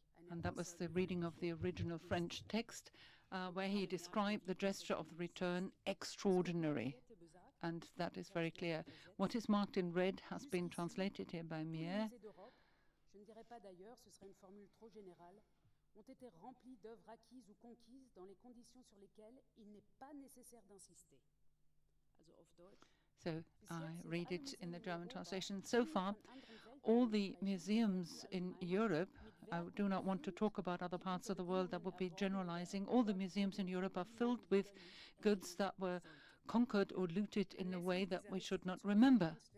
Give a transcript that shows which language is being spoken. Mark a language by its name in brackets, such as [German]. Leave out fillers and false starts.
[English] And that was the reading of the original French text, where he described the gesture of the return extraordinary. And that is very clear. What is marked in red has been translated here by Mier. [French] Je ne dirais pas d'ailleurs, ce serait une formule trop générale. Ont été remplis d'œuvres acquises ou conquises dans les conditions sur lesquelles il n'est pas nécessaire d'insister. [English] So I read it in the German translation. So far, all the museums in Europe, I do not want to talk about other parts of the world, that would be generalizing, all the museums in Europe are filled with goods that were conquered or looted in a way that we should not remember.